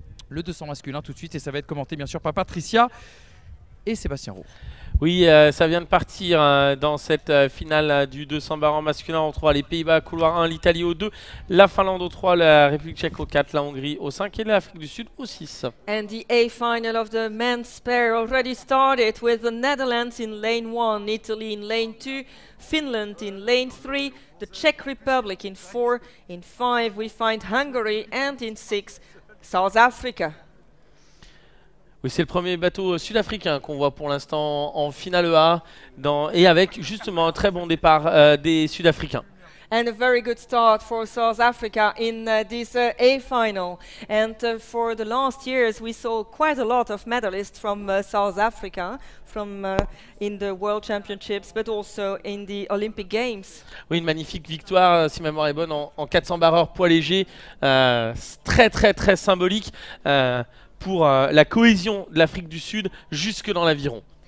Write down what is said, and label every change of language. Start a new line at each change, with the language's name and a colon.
French: Le 200 masculin tout de suite et ça va être commenté bien sûr par Patricia et Sébastien Roux. Oui, ça vient de partir dans cette finale du 200 barres en masculin. On retrouvera les Pays-Bas couloir 1, l'Italie au 2, la Finlande au 3, la République tchèque au 4, la Hongrie au 5 et l'Afrique du Sud au 6.
English: And the A final of the men's pair already started with the Netherlands in lane 1, Italy in lane 2, Finland in lane 3, the Czech Republic in 4, in 5 we find Hungary and in 6 South Africa.
French: Oui, c'est le premier bateau sud-africain qu'on voit pour l'instant en finale A et avec justement un très bon départ des Sud-Africains.
English: And a very good start for South Africa in this A final. And for the last years, we saw quite a lot of medalists from South Africa, in the World Championships, but also in the Olympic Games.
French: Oui, une magnifique victoire, si ma mémoire est bonne, en 400 barreurs poids léger, très très très symbolique. Pour la cohésion de l'Afrique du Sud jusque dans l'aviron.